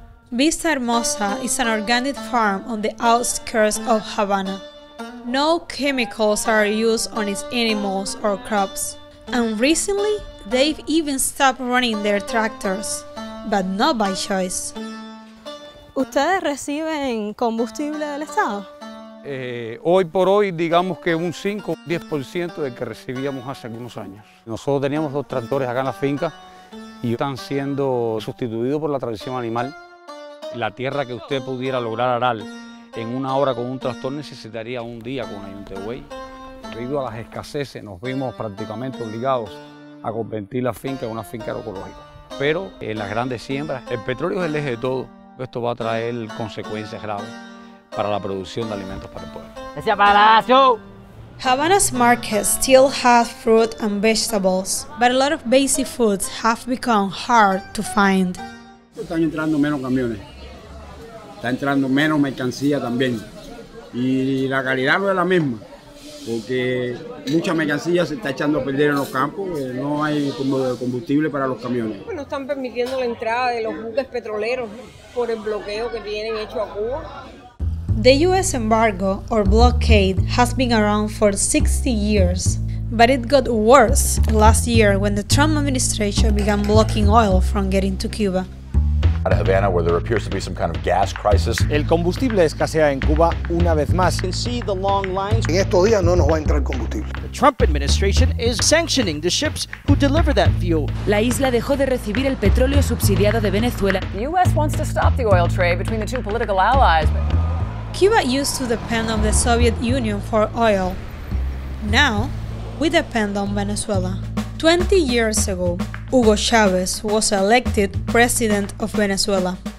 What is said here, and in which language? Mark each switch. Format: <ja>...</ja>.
<en>Vista Hermosa is an organic farm on the outskirts of Havana. No chemicals are used on its animals or crops. And recently, they've even stopped running their tractors, but not by choice.</en> <es>¿Ustedes reciben combustible del Estado? Hoy por hoy, digamos que un 5-10% del que recibíamos hace algunos años. Nosotros teníamos dos tractores acá en la finca y están siendo sustituidos por la tracción animal. La tierra que usted pudiera lograr arar en una hora con un tractor necesitaría un día con un buey. Debido a las escaseces, nos vimos prácticamente obligados a convertir la finca en una finca agroecológica. Pero en las grandes siembras, el petróleo es el eje de todo. Esto va a traer consecuencias graves para la producción de alimentos para el pueblo.</es> <en>Havana's market still has fruit and vegetables, but a lot of basic foods have become hard to find.</en> <es>Están entrando menos camiones, está entrando menos mercancía también, y la calidad no es la misma, porque mucha mercancía se está echando a perder en los campos, no hay combustible para los camiones. No están permitiendo la entrada de los buques petroleros por el bloqueo que tienen hecho a Cuba.</es> <en>The US embargo, or blockade, has been around for 60 years, but it got worse last year when the Trump administration began blocking oil from getting to Cuba. Out of Havana, where there appears to be some kind of gas crisis.</en> <es>El combustible escasea en Cuba una vez más.</es> <en>You can see the long lines.</en> <es>En estos días no nos va a entrar combustible.</es> <en>The Trump administration is sanctioning the ships who deliver that fuel.</en> <es>La isla dejó de recibir el petróleo subsidiado de Venezuela.</es> <en>The US wants to stop the oil trade between the two political allies. Cuba used to depend on the Soviet Union for oil. Now, we depend on Venezuela. 20 years ago, Hugo Chavez was elected president of Venezuela.</en>